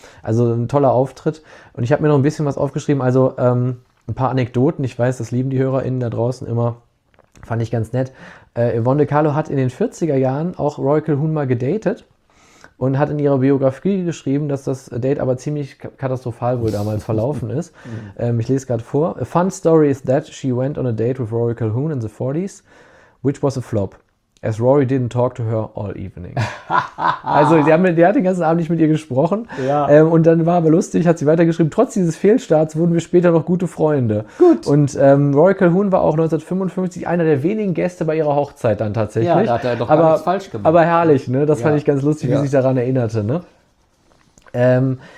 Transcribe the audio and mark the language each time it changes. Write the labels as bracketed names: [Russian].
[German] Also ein toller Auftritt. Und ich habe mir noch ein bisschen was aufgeschrieben. Also ein paar Anekdoten. Ich weiß, das lieben die HörerInnen da draußen immer. Fand ich ganz nett. Yvonne de Carlo hat in den 40er Jahren auch Rory Calhoun mal gedatet und hat in ihrer Biografie geschrieben, dass das Date aber ziemlich katastrophal wohl damals verlaufen ist. Ich lese gerade vor. [English] A fun story is that she went on a date with Rory Calhoun in the 40s, which was a flop. As Rory didn't talk to her all evening. [German] Also, die hat den ganzen Abend nicht mit ihr gesprochen. Ja. Und dann war aber lustig, hat sie weitergeschrieben, trotz dieses Fehlstarts wurden wir später noch gute Freunde. Gut. Und Rory Calhoun war auch 1955 einer der wenigen Gäste bei ihrer Hochzeit dann tatsächlich. Ja, da hat er doch gar nichts falsch gemacht. Aber herrlich, ne? Das fand ich ganz lustig, wie sich daran erinnerte, ne?